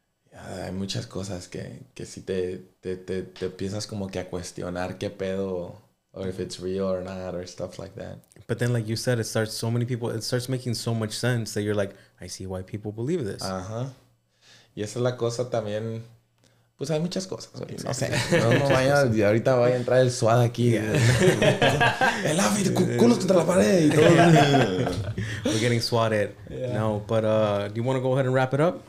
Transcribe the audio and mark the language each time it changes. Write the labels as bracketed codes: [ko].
[es] Yeah, hay muchas cosas que sí te empiezas como que a cuestionar qué pedo, [en] or if it's real or not, or stuff like that. But then, like you said, it starts making so much sense that you're like, I see why people believe this. [es] Ajá. Y esa es la cosa también... Pues hay muchas cosas, güey. No sé. No vaya, ahorita vaya a entrar el SWAT aquí. Yeah. El AFI, culos contra la pared y todo. [en] Yeah. We're getting swatted. Yeah. No, but do you want to go ahead and wrap it up?